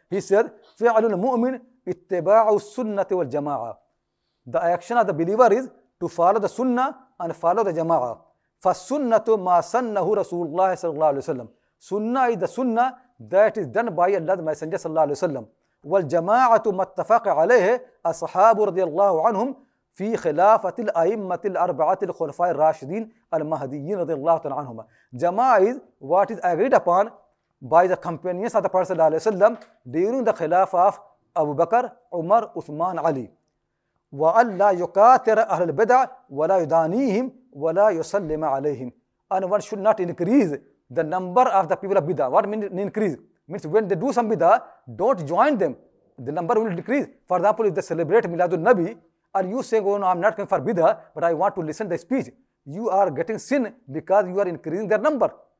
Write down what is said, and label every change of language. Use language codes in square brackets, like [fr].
[en] He said, [ar] فعل المؤمن اتباع السنة والجماعة. [en] The action of the believer is to follow the sunnah and follow the jama'a. [ar] فالسنة ما سنه رسول الله صلى الله عليه وسلم. [en] Sunnah is the sunnah that is done by Allah's Messenger [ar] صلى الله عليه وسلم. والجماعة ما اتفق عليه أصحاب رضي الله عنهم في خلافة الأئمة الأربعة الخلفاء الراشدين المهديين رضي الله تعالى عنهما. [en] جماعة is what is agreed upon by the companions of the Prophet صلى الله عليه وسلم during the خلافة of أبو بكر عمر عثمان علي. [ar] وألا يكاثر أهل البدع ولا يدانيهم ولا يسلم عليهم. [en] And one should not increase the number of the people of bid'ah. What means increase? Means when they do some bid'ah, don't join them. The number will decrease. For example, if they celebrate Miladun Nabi, are you saying, oh no, I'm not coming for bid'ah, but I want to listen to the speech? You are getting sin because you are increasing their number.